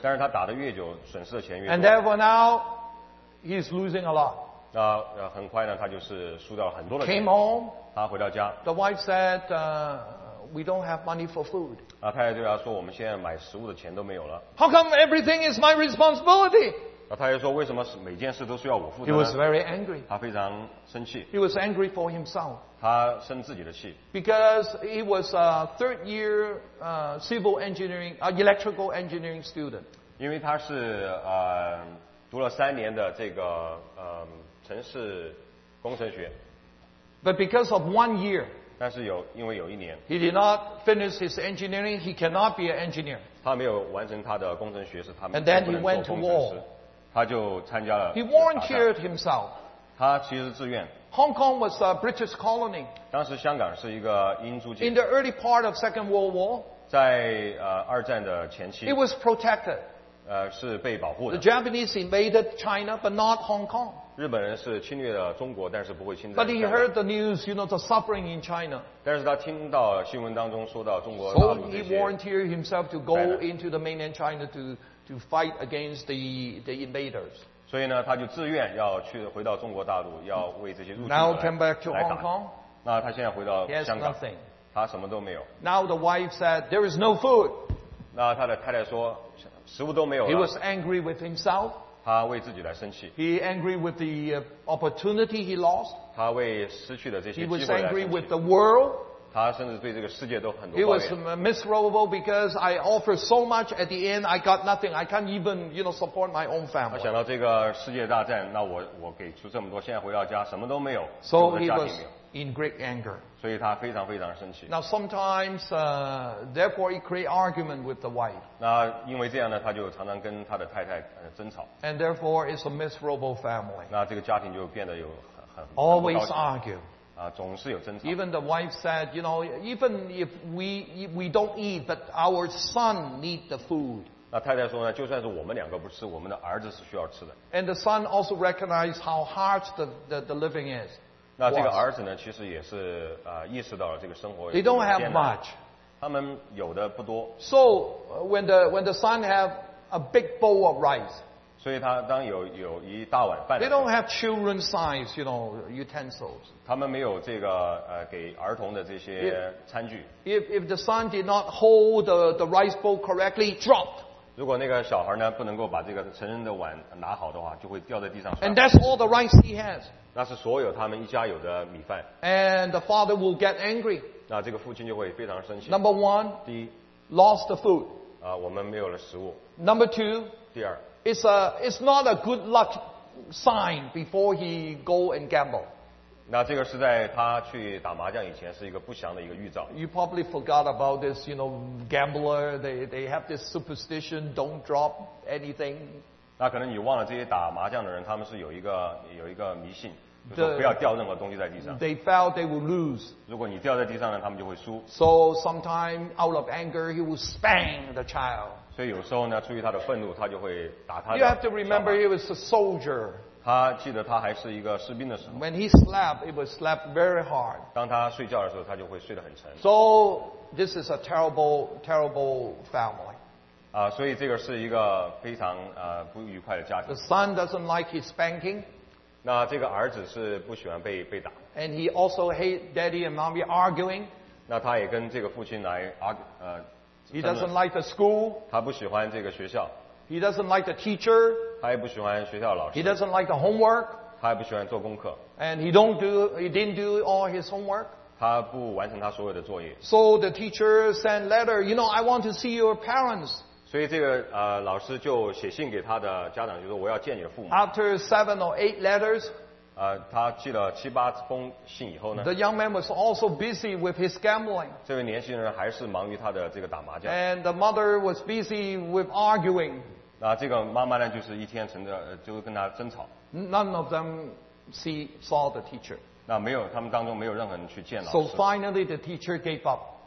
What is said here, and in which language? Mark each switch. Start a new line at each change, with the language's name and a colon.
Chinese: 但是他打得越久损失的钱越多。
English: And therefore now, he's losing a lot.
Chinese: 那很快呢他就是输掉很多的钱。
English: Came home.
Chinese: 他回到家。
English: The wife said,We don't have money for food.
Chinese: 啊，太太对他说：“我们现在买食物的钱都没有了。”
English: How come everything is my responsibility?
Chinese: 啊，太太说：“为什么每件事都需要我负责呢？”
English: He was very angry.
Chinese: 他非常生气。
English: He was angry for himself.
Chinese: 他生自己的气。
English: Because he was a third year civil engineering, electrical engineering student.
Chinese: 因为他是读了三年的这个城市工程学。
English: But because of one year.
Chinese: 但是有因为有一年
English: he did not finish his engineering, he cannot be an engineer.
Chinese: 他没有完成他的工程学士，他
English: 们 and then he went to war.
Chinese: 他就参加了
English: he volunteered himself.
Chinese: 他其实自愿
English: Hong Kong was a British colony.
Chinese: 当时香港是一个英租界
English: in the early part of Second World War.
Chinese: 在二战的前期
English: it was protected.
Chinese: 是被保护的
English: the Japanese invaded China, but not Hong Kong.
Chinese: 日本人是侵略了中国，但是不会侵略。
English: But he heard the news, you know, the suffering in China.
Chinese: 但是他听到新闻当中说到中国大陆这些。
English: So he volunteered himself to go into the mainland China to fight against the invaders.
Chinese: 所以呢，他就自愿要去回到中国大陆，要为这些入侵者来打。
English: Now come back to Hong Kong.
Chinese: 那他现在回到香港。
English: He has nothing.
Chinese: 他什么都没有。
English: Now the wife said, "There is no food."
Chinese: 那他的太太说，食物都没有了。
English: He was angry with himself.
Chinese: 他为自己来生气。
English: He angry with the opportunity he lost.
Chinese: 他为失去的这些机会来生气。
English: He was angry with the world.
Chinese: 他甚至对这个世界都很多抱怨。
English: He was miserable because I offered so much at the end, I got nothing. I can't even, you know, support my own family.
Chinese: 他想到这个世界大战，那我给出这么多，现在回到家什么都没有。
English: So he was in great anger.
Chinese: 所以他非常非常生气。
English: Now sometimes, therefore he create argument with the wife.
Chinese: 那因为这样呢，他就常常跟他的太太争吵。
English: And therefore it's a miserable family.
Chinese: 那这个家庭就变得有很
English: Always argue.
Chinese: 总是有争吵。
English: Even the wife said, you know, even if we don't eat, but our son need the food.
Chinese: 那太太说呢，就算是我们两个不吃，我们的儿子是需要吃的。
English: And the son also recognized how hard the living is.
Chinese: 那这个儿子呢，其实也是意识到了这个生活有多艰难。
English: They don't have much.
Chinese: 他们有的不多。
English: So when the son have a big bowl of rice.
Chinese: 所以他当有一大碗饭。
English: They don't have children's size, you know, utensils.
Chinese: 他们没有这个给儿童的这些餐具。
English: If the son did not hold the rice bowl correctly, dropped.
Chinese: 如果那个小孩呢不能够把这个成人的碗拿好的话，就会掉在地上。
English: And that's all the rice he has.
Chinese: 那是所有他们一家有的米饭。
English: And the father will get angry.
Chinese: 那这个父亲就会非常生气。
English: Number one.
Chinese: 第一。
English: Lost the food.
Chinese: 我们没有了食物。
English: Number two.
Chinese: 第二。
English: It's not a good luck sign before he go and gamble.
Chinese: 那这个是在他去打麻将以前是一个不祥的一个预兆。
English: You probably forgot about this, you know, gambler. They have this superstition, don't drop anything.
Chinese: 那可能你忘了这些打麻将的人，他们是有一个迷信，就是说不要掉任何东西在地上。
English: They felt they will lose.
Chinese: 如果你掉在地上呢，他们就会输。
English: So sometime out of anger, he will spank the child.
Chinese: 所以有时候呢，出于他的愤怒，他就会打他的。
English: You have to remember he was a soldier.
Chinese: 他记得他还是一个士兵的时候。
English: When he slept, it was slept very hard.
Chinese: 当他睡觉的时候，他就会睡得很沉。
English: So this is a terrible, terrible family.
Chinese: 所以这个是一个非常不愉快的家庭。
English: The son doesn't like his spanking.
Chinese: 那这个儿子是不喜欢被打。
English: And he also hate daddy and mommy arguing.
Chinese: 那他也跟这个父亲来 argue,
English: He doesn't like the school.
Chinese: 他不喜欢这个学校。
English: He doesn't like the teacher.
Chinese: 他也不喜欢学校老师。
English: He doesn't like the homework.
Chinese: 他也不喜欢做功课。
English: And he didn't do all his homework.
Chinese: 他不完成他所有的作业。
English: So the teacher sent letter. You know, I want to see your parents.
Chinese: 所以这个老师就写信给他的家长，就说我要见你的父母。
English: After 7 or 8 letters.
Chinese: 他寄了七八封信以后呢
English: ，The young man was also busy with his gambling.
Chinese: 这位年轻人还是忙于他的这个打麻将。
English: And the mother was busy with arguing.
Chinese: 那这个妈妈呢，就是一天成着就跟他争吵。
English: None of them saw the teacher.
Chinese: 那没有，他们当中没有任何人去见老师。
English: So finally, the teacher gave up.